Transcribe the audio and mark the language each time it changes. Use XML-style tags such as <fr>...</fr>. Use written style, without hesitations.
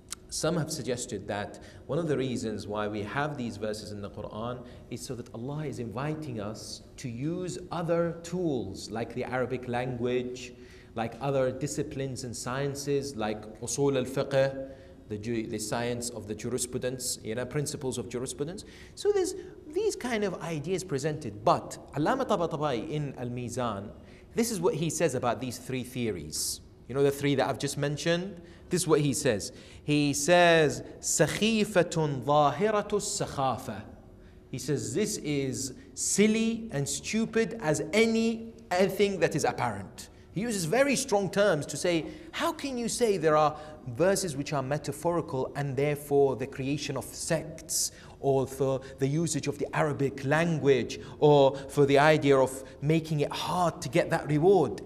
<en>Some have suggested that one of the reasons why we have these verses in the Quran is so that Allah is inviting us to use other tools like the Arabic language, like other disciplines and sciences, like usul al-fiqh, the science of the jurisprudence, you know, principles of jurisprudence. So there's these kind of ideas presented, but Allama Tabatabai in Al-Mizan, this is what he says about these three theories. You know the three that I've just mentioned? This is what he says. He says,</en> <ar>سَخِيفَةٌ ظَاهِرَةُ السَّخَافَةُ.</ar> <en>He says, this is silly and stupid as anything that is apparent. He uses very strong terms to say, how can you say there are verses which are metaphorical and therefore the creation of sects, or for the usage of the Arabic language, or for the idea of making it hard to get that reward?</en>